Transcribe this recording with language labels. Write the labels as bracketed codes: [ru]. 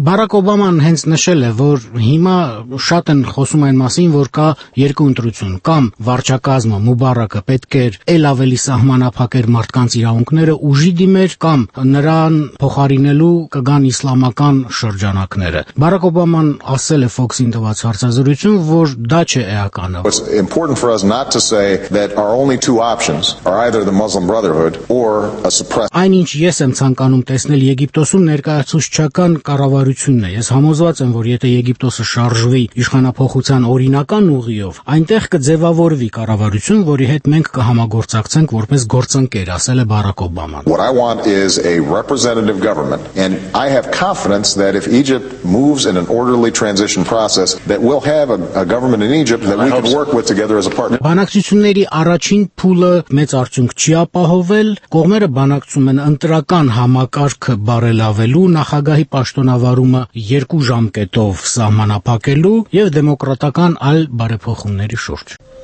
[hy] Բարակ Օբաման հենց նշել է, որ հիմա շատ են խոսում այն մասին, որ կա երկու ընտրություն, կամ վարչակազմը Մուբարակը պետք է էլ ավելի սահմանափակեր մարդկանց իրավունքները, ուժի դիմեր, կամ նրան փոխարինել կգան իսլամական շրջանակները։ Բարակ Օբաման ասել է Fox-ին տված հարցազրույցում, որ դա չէ էականը։ [en] It's important for us not to say that our only two options are either the Muslim Brotherhood or a suppressed. [hy] Այնինչ ես եմ ցանկանում տեսնել Եգիպտոսում ներկայացուցչական կառավարությունն է։ Ես համոզված եմ, որ եթե Եգիպտոսը շարժվի իշխանապահության օրինական ուղիով, այնտեղ կձևավորվի կառավարություն, որի հետ մենք կհամագործակցենք որպես գործընկեր, ասել է Բարակ Օբաման։ [en] What I want is a representative government. And I have confidence that if Egypt moves in an orderly transition process, that we'll have a government in Egypt that we can work with together as a partner. [hy] Բանակցությունների առաջին փուլը մեծ արդյունք չի ապահովել, կողմերը բանակցում են ընտրական համակարգը բարելավելու, նախագահի պաշտոնավարումը երկու ժամկետով սահմանափակելու և դեմոկրատական այլ բարեփոխումների շուրջ։